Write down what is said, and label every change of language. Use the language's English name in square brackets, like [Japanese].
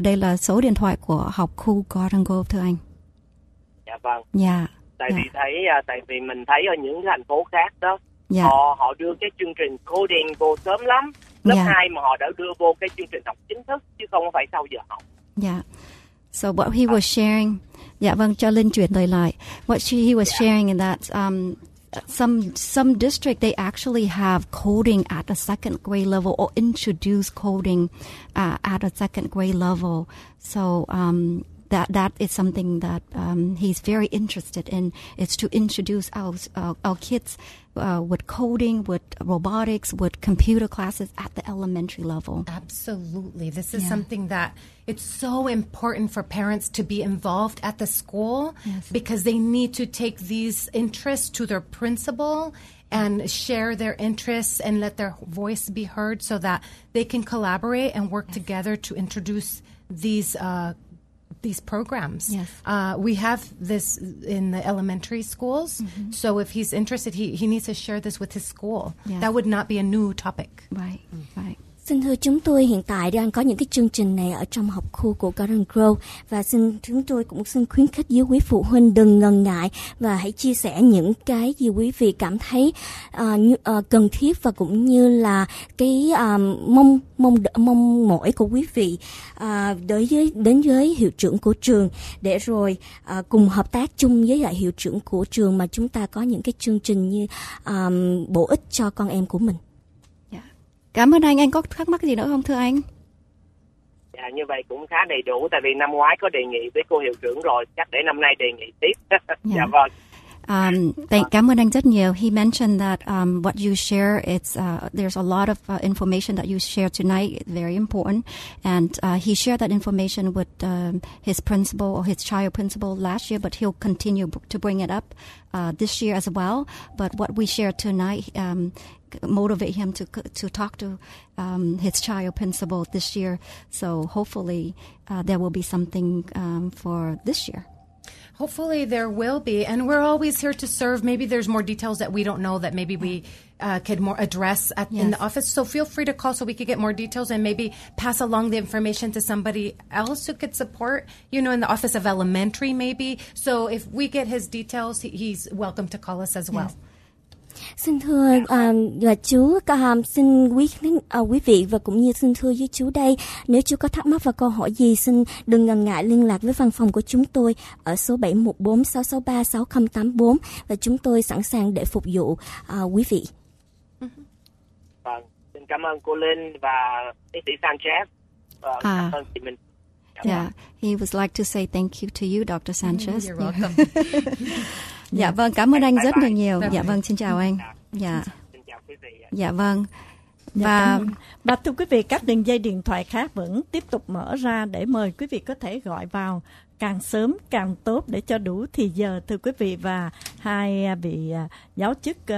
[Vietnamese] Đây là số điện thoại của học khu Garden Grove thưa anh. Dạ vâng. Dạ. Tại vì mình thấy ở những thành phố khác đó, dạ, họ đưa cái chương trình coding vô sớm lắm. Lớp dạ. 2 mà họ đã đưa vô cái chương trình học chính thức, chứ không phải sau giờ học. Dạ. [English] So what he was sharing. [Vietnamese] Dạ vâng, cho Linh chuyển lời lại. [English] What he was sharing in that... Some district, they actually have coding at the second grade level or introduce coding at a second grade level. So that is something that he's very interested in. It's to introduce our kids with coding, with robotics, with computer classes at the elementary level. Absolutely. This is something that it's so important for parents to be involved at the school because they need to take these interests to their principal and share their interests and let their voice be heard so that they can collaborate and work together to introduce these programs. Yes. We have this in the elementary schools. Mm-hmm. So if he's interested, he needs to share this with his school. Yes. That would not be a new topic. Right. Mm-hmm. Right. [Vietnamese] Xin thưa chúng tôi hiện tại đang có những cái chương trình này ở trong học khu của Garden Grove và xin chúng tôi cũng xin khuyến khích với quý phụ huynh đừng ngần ngại và hãy chia sẻ những cái gì quý vị cảm thấy cần thiết và cũng như là cái mong mỏi của quý vị đến với hiệu trưởng của trường để rồi cùng hợp tác chung với lại hiệu trưởng của trường mà chúng ta có những cái chương trình như bổ ích cho con em của mình. Cảm ơn anh có thắc mắc gì nữa không thưa anh? Dạ như vậy cũng khá đầy đủ tại vì năm ngoái có đề nghị với cô hiệu trưởng rồi, chắc để năm nay đề nghị tiếp. Dạ vâng. Cảm ơn anh rất nhiều. [English] He mentioned that what you share, it's there's a lot of information that you share tonight, very important. And he shared that information with his principal or his child principal last year, but he'll continue to bring it up this year as well. But what we share tonight motivate him to talk to his child principal this year. So hopefully there will be something for this year. Hopefully there will be, and we're always here to serve. Maybe there's more details that we don't know that maybe we could more address in the office. So feel free to call so we could get more details and maybe pass along the information to somebody else who could support, you know, in the office of elementary maybe. So if we get his details, he's welcome to call us as well. [Vietnamese] Xin thưa và chú, xin quý vị và cũng như xin thưa với chú đây, nếu chú có thắc mắc và câu hỏi gì, xin đừng ngần ngại liên lạc với văn phòng của chúng tôi ở số 714-663-6084 và chúng tôi sẵn sàng để phục vụ quý vị. Vâng, xin cảm ơn cô Linh và tiến sĩ Sanchez. Cảm ơn chị mình. [English] Yeah, he would like to say thank you to you, Dr. Sanchez. You're welcome. [Vietnamese] Dạ vâng, cảm ơn anh rất là nhiều. Dạ vâng, xin chào anh. Dạ. Dạ vâng. Và thưa quý vị, các đường dây điện thoại khác vẫn tiếp tục mở ra để mời quý vị có thể gọi vào càng sớm càng tốt để cho đủ thì giờ thưa quý vị và hai vị giáo chức.